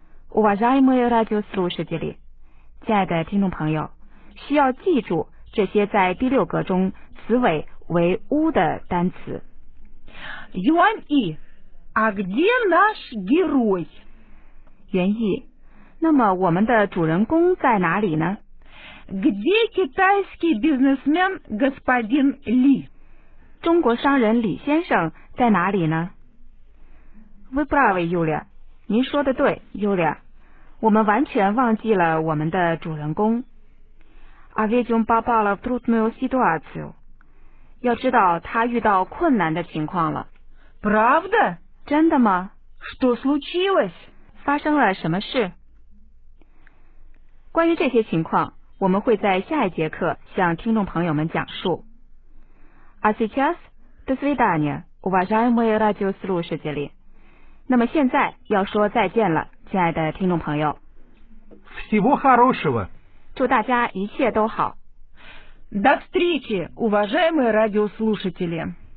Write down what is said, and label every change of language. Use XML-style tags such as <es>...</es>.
<ru>Уважаемые радиослушатели,</ru> <zh>亲爱的听众朋友, 需要记住这些在第六格中 词尾为u的单词。</zh> <ru>Юань И, а где наш герой?</ru> <zh>袁毅, 那么我们的主人公在哪里呢?</zh> <ru>Где китайский бизнесмен господин Ли?</ru> <zh>中国商人李先生在哪里呢?</zh> <ru>Вы правы, Юля.</ru> <zh>您说的对,</zh> <ru>Юля.</ru> <zh>我们完全忘记了我们的主人公。</zh> <ru>А ведь он попал в трудную ситуацию.</ru> <zh>要知道他遇到困难的情况了。</zh> <ru>Правда?</ru> <zh>真的吗?</zh> <ru>Что случилось?</ru> <zh>发生了什么事? 关于这些情况, 我们会在下一节课向听众朋友们讲述。</zh> <ru>А сейчас, до свидания, уважаемые радиослушатели.</ru> <zh>那么现在要说再见了, 亲爱的听众朋友。</zh> <ru>Всего хорошего!</ru> <zh>祝大家一切都好。</zh> <ru>До встречи, уважаемые радиослушатели.</ru>